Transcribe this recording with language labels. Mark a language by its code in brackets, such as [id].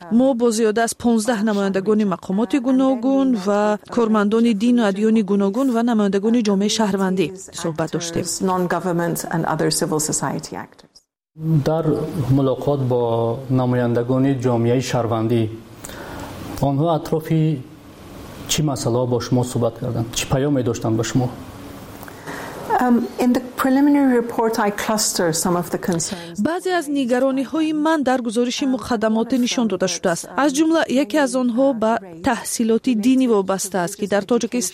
[fa] ما با زیاده از 15 نمایندگان مقامات گوناگون و کارمندان دین و ادیان گوناگون و نمایندگان جامعه شهروندی صحبت داشتیم. در ملاقات با نمایندگان جامعه شهروندی، آنها اطرافی چی مسئله با شما صحبت کردند؟ چی پیامی داشتند به شما؟ [en] In the preliminary report, I cluster some of the concerns. [fa] بعضی از نگرانی های من در گزارش مقدمات نشان داده شده است. از جمله یکی از آنها به تحصیلات دینی وابسته است که در تاجیکستان